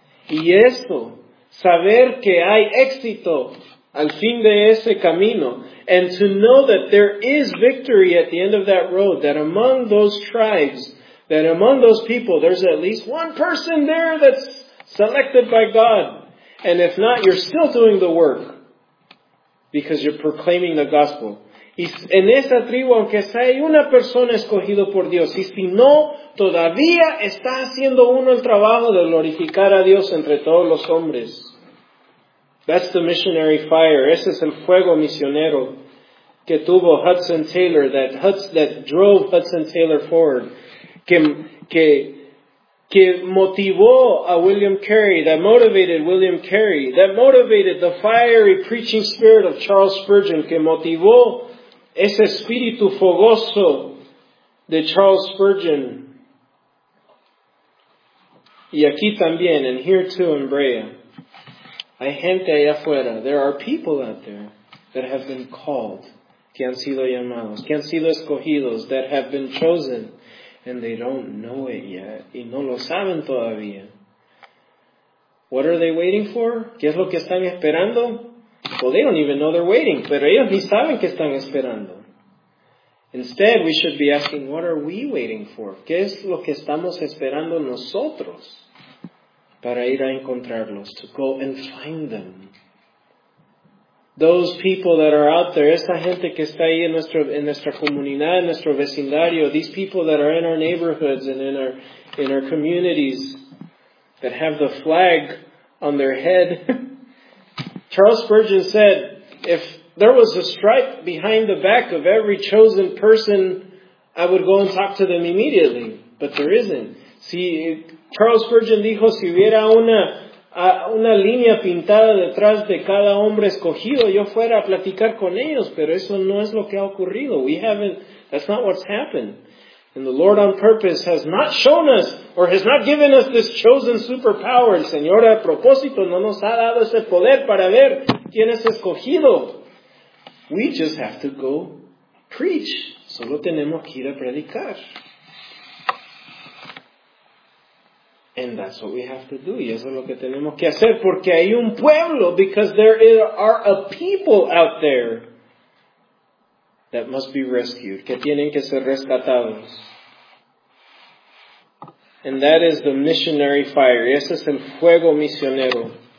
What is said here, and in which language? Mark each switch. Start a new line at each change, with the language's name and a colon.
Spanish: Y eso, saber que hay éxito al fin de ese camino,
English: and to know that there is victory at the end of that road, that among those tribes, that among those people, there's at least one person there that's selected by God. And if not, you're still doing the work because you're proclaiming the gospel.
Spanish: Y en esa tribu, aunque sea, hay una persona escogida por Dios. Y si no, todavía está haciendo uno el trabajo de glorificar a Dios entre todos los hombres.
English: That's the missionary fire.
Spanish: Ese es el fuego misionero que tuvo Hudson Taylor,
English: that drove Hudson Taylor forward.
Spanish: Que motivó a William Carey,
English: that motivated William Carey, that motivated the fiery preaching spirit of Charles Spurgeon,
Spanish: que motivó ese espíritu fogoso de Charles Spurgeon. Y aquí también,
English: and here too in Brea,
Spanish: hay gente allá afuera.
English: There are people out there that have been called,
Spanish: que han sido llamados, que han sido escogidos,
English: that have been chosen, and they don't know it yet.
Spanish: Y no lo saben todavía.
English: What are they waiting for?
Spanish: ¿Qué es lo que están esperando?
English: Well, they don't even know they're waiting.
Spanish: Pero ellos ni saben qué están esperando.
English: Instead, we should be asking, what are we waiting for?
Spanish: ¿Qué es lo que estamos esperando nosotros para ir a encontrarlos?
English: To go and find them. Those people that are out there,
Spanish: esa gente que está ahí en nuestra comunidad, en nuestro vecindario,
English: these people that are in our neighborhoods and in our communities that have the flag on their head. Charles Spurgeon said, if there was a stripe behind the back of every chosen person, I would go and talk to them immediately. But there isn't.
Spanish: Charles Spurgeon dijo, si hubiera una línea pintada detrás de cada hombre escogido, yo fuera a platicar con ellos, pero eso no es lo que ha ocurrido.
English: That's not what's happened. And the Lord on purpose has not shown us, or has not given us this chosen superpower.
Spanish: El Señor a propósito no nos ha dado ese poder para ver quién es escogido.
English: We just have to go preach.
Spanish: Solo tenemos que ir a predicar.
English: And that's what we have to do.
Spanish: Y eso es lo que tenemos que hacer. Porque hay un pueblo,
English: because there are a people out there that must be rescued,
Spanish: que tienen que ser rescatados.
English: And that is the missionary fire.
Spanish: Ese es el fuego misionero.